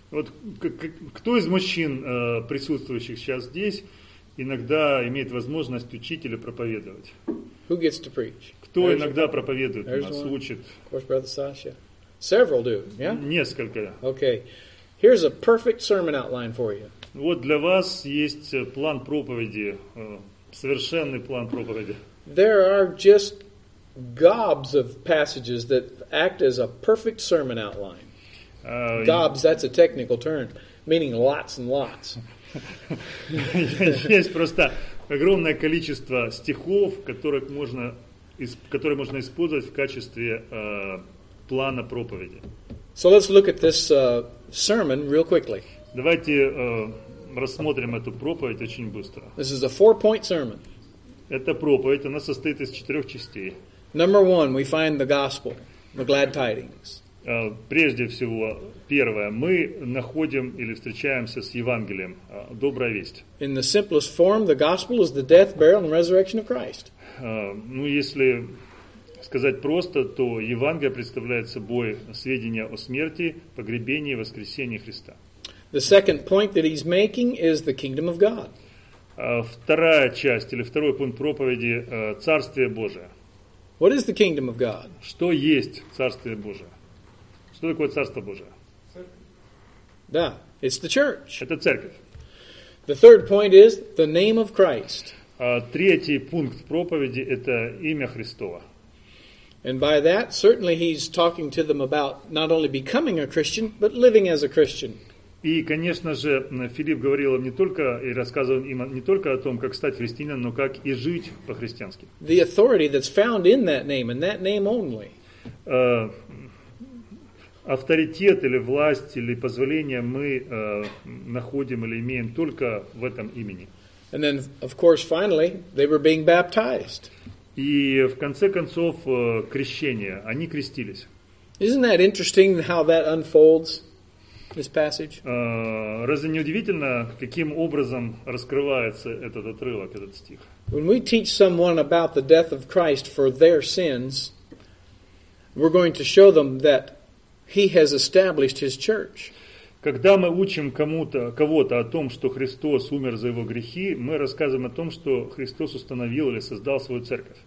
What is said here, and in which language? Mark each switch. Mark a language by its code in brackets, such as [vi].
[ru] Вот кто из мужчин, присутствующих сейчас здесь, иногда имеет возможность учить или проповедовать? [en] Who gets to preach? [ru] Кто иногда проповедует, нас учит? [en] Of course, Brother Sasha. Several do, yeah? [ru] Несколько. [en] Okay. Here's a perfect sermon outline for you. [ru] Вот для вас есть план проповеди, совершенный план проповеди. [en] There are just gobs of passages that act as a perfect sermon outline. Gobs, that's a technical term, meaning lots and lots. [ru] Есть просто огромное количество стихов, которые можно использовать в качестве плана проповеди. [en] So let's look at this sermon real quickly. [ru] Давайте рассмотрим эту проповедь очень быстро. [en] This is a four-point sermon. [ru] Это проповедь, она состоит из четырех частей. [en] Number one, we find the gospel, the glad tidings. [ru] Прежде всего, первое, мы находим или встречаемся с Евангелием, добрая весть. [en] In the simplest form, the gospel is the death, burial, and resurrection of Christ. [ru] Ну, если сказать просто, то Евангелие представляет собой сведения о смерти, погребении и воскресении Христа. [en] The second point that he's making is the kingdom of God. [ru] Вторая часть или второй пункт проповеди Царствие Божие. [en] What is the kingdom of God? [ru] Что есть Царствие Божие? Что такое Царство Божие? Церковь. [en] Да, it's the church. [ru] Это церковь. [en] The third point is the name of Christ. [ru] Третий пункт проповеди это имя Христово. [en] And by that, certainly he's talking to them about not only becoming a Christian, but living as a Christian. [ru] И, конечно же, Филипп говорил им не только и рассказывал им не только о том, как стать христианином, но как и жить по-христиански. [en] The authority that's found in that name and that name only. [ru] Авторитет или власть или позволение мы находим или имеем только в этом имени. [en] And then, of course, finally, they were being baptized. [ru] И в конце концов крещение. Они крестились. [en] Isn't that interesting how that unfolds? This passage. [ru] Разве не удивительно, каким образом раскрывается этот отрывок, этот стих? [en] When we teach someone about the death of Christ for their sins, we're going to show them that He has established His church. [ru] Когда мы учим кого-то о том, что Христос умер за его грехи, мы рассказываем о том, что Христос установил или создал свою церковь.